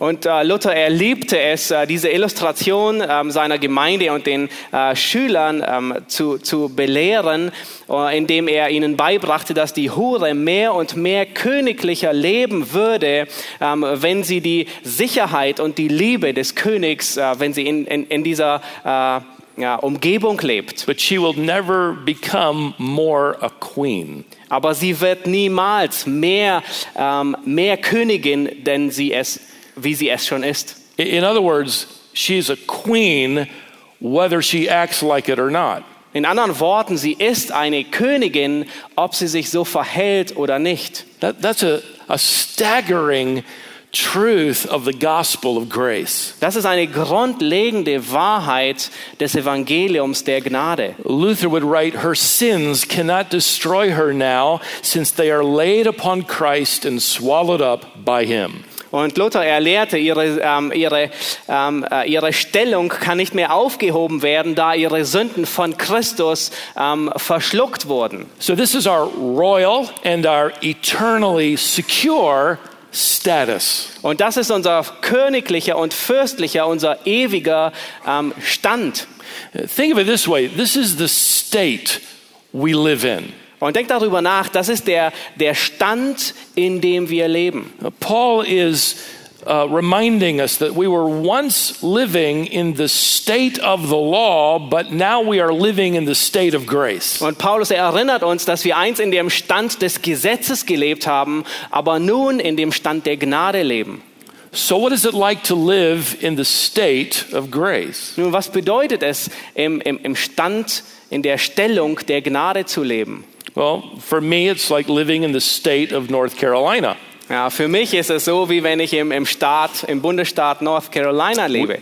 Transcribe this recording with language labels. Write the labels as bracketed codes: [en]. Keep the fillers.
[de] Und uh, Luther erlebte es, uh, diese Illustration um, seiner Gemeinde und den uh, Schülern um, zu, zu belehren, uh, indem er ihnen beibrachte, dass die Hure mehr und mehr königlicher leben würde, um, wenn sie die Sicherheit und die Liebe des Königs, uh, wenn sie in, in, in dieser uh, ja, Umgebung lebt. [en] But she will never become more a queen. [de] aber sie wird niemals mehr, um, mehr Königin, denn sie es, wie sie es schon ist. [en] In, words, queen, like [de] In anderen Worten, sie ist eine Königin, ob sie sich so verhält oder nicht. [en] That, that's a, a staggering. truth of the gospel of grace. [de] Das ist grundlegende Wahrheit des Evangeliums der Gnade. [en] Luther would write her sins cannot destroy her now since they are laid upon Christ and swallowed up by him. [de] Und Luther erlehrte, ihre, um, ihre, um, ihre Stellung kann nicht mehr aufgehoben werden, da ihre Sünden von Christus um, verschluckt wurden. [en] So this is our royal and our eternally secure Status. [de] Und das ist unser königlicher und fürstlicher, unser ewiger Stand. [en] Think of it this way: This is the state we live in. [de] Und denkt darüber nach: Das ist der der Stand, in dem wir leben. [en] Paul is Uh, reminding us that we were once living in the state of the law, but now we are living in the state of grace. [de] Und Paulus erinnert uns, dass wir eins in dem Stand des Gesetzes gelebt haben, aber nun in dem Stand der Gnade leben. [en] So what is it like to live in the state of grace? [de] Nun was bedeutet es im im im Stand in der Stellung der Gnade zu leben? [en] Well, for me it's like living in the state of North Carolina. [de] Ja, uh, für mich ist es so, wie wenn ich im, im Staat, im Bundesstaat North Carolina lebe.